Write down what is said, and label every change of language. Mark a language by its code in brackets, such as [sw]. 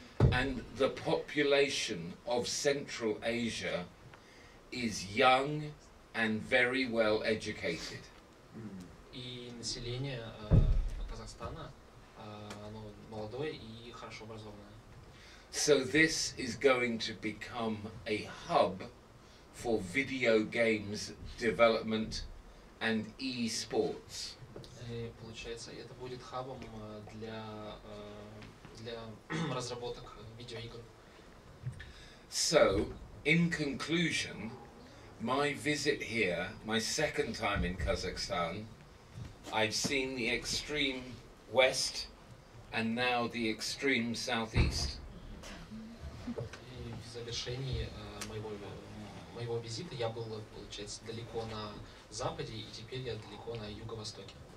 [en] And the population of Central Asia is young and very well educated. [ru] И население Казахстана, оно молодое и хорошо образованное. [en] So this is going to become a hub for video games development and e-sports. [ru] И получается, это будет хабом для разработок видеоигр. [en] So, in conclusion, my visit here, my second time in Kazakhstan, I've seen the extreme west and now the extreme southeast. [ru] В завершении моего визита я был, получается, далеко на западе, и теперь я далеко на юго-востоке.